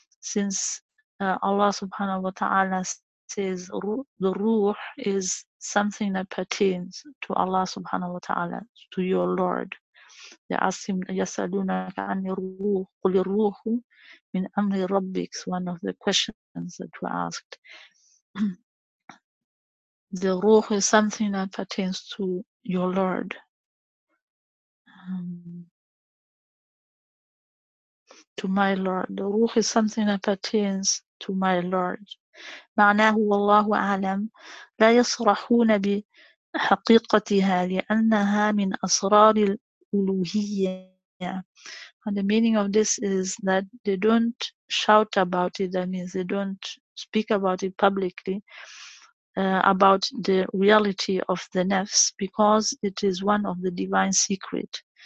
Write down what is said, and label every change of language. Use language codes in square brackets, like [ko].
[en] Since Allah subhanahu wa ta'ala says the ruh is something that pertains to Allah subhanahu wa ta'ala, to your Lord. They ask him, [ar] يَسَأَلُونَكَ عَنِ الرُّوحِ قُلِ الرُّوحُ مِنْ أَمْرِ رَبِّكَ. [en] One of the questions that were asked. The ruh is something that pertains to your Lord. To my Lord. The ruh is something that pertains to my Lord. [ar] معناه والله أعلم لا يصرحون بحقيقتها لأنها من أسرار الألوهية. [en] And the meaning of this is that they don't shout about it. That means they don't speak about it publicly, about the reality of the nafs, because it is one of the divine secret.